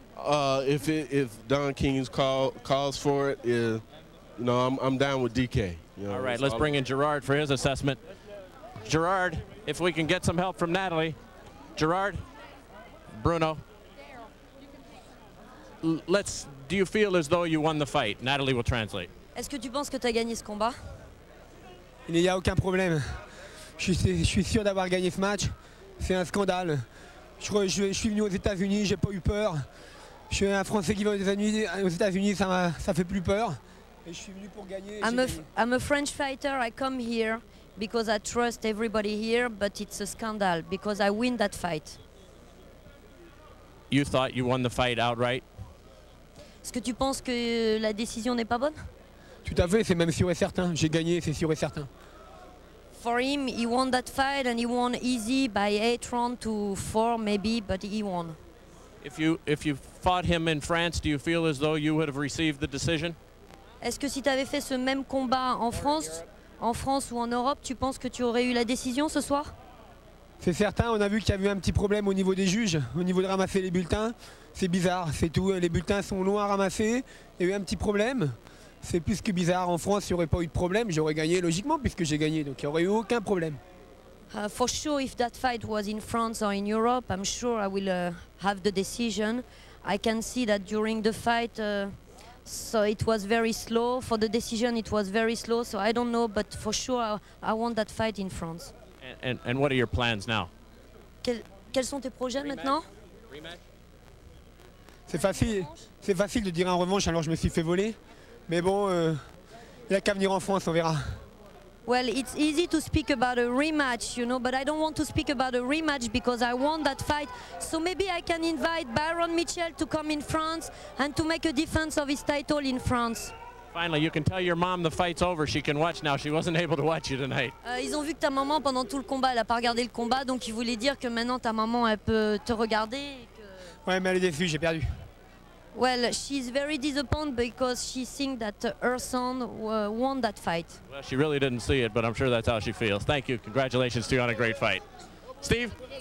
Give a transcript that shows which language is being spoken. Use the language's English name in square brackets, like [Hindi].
[English] If Don King's calls for it, yeah, you know, I'm down with DK. You know, all right, let's bring in Girard for his assessment. Girard, if we can get some help from Natalie. Girard, Bruno. Do you feel as though you won the fight? Natalie will translate. [French] Est-ce que tu penses que tu as gagné ce combat? Il n'y a aucun problème. Je suis sûr d'avoir gagné ce match. C'est un scandale. Je suis venu aux États-Unis, j'ai pas eu peur. Je suis un Français qui va aux États-Unis, ça fait plus peur. Et je suis venu pour gagner. [English] I'm a French fighter. I come here because I trust everybody here, but it's a scandal because I win that fight. You thought you won the fight outright? [French] Est-ce que tu penses que la décision n'est pas bonne? Tout à fait, c'est même sûr et certain. J'ai gagné, c'est sûr et certain. [English] For him, he won that fight and he won easy by 8 rounds to 4 maybe, but he won. If you fought him in France, do you feel as though you would have received the decision? [French] Est-ce que si tu avais fait ce même combat en France ou en Europe, tu penses que tu aurais eu la décision ce soir? C'est certain, on a vu qu'il y avait un petit problème au niveau des juges, au niveau de ramasser les bulletins. C'est bizarre, c'est tout. Les bulletins sont longs à ramasser. Il y a eu un petit problème. C'est plus que bizarre. En France, il n'y aurait pas eu de problème. J'aurais gagné logiquement puisque j'ai gagné. Donc il n'y aurait eu aucun problème. [English] For sure, if that fight was in France or in Europe, I'm sure I will have the decision. I can see that during the fight, so it was very slow. For the decision, it was very slow. So I don't know, but for sure, I want that fight in France. And what are your plans now? [French] Quels sont tes projets maintenant? Rematch. C'est facile de dire en revanche alors je me suis fait voler, mais bon, il n'y a qu'à venir en France, on verra. [English] Well, it's easy to speak about a rematch, you know, but I don't want to speak about a rematch because I won that fight. So maybe I can invite Byron Mitchell to come in France and to make a defense of his title in France. Finally, you can tell your mom the fight's over. She can watch now. She wasn't able to watch you tonight. [French] Ils ont vu que ta maman pendant tout le combat, elle a pas regardé le combat, donc ils voulaient dire que maintenant ta maman elle peut te regarder. Ouais, mais elle est déçue, j'ai perdu. [English] Well, she's very disappointed because she thinks that her son won that fight. Well, she really didn't see it, but I'm sure that's how she feels. Thank you. Congratulations to you on a great fight. Steve?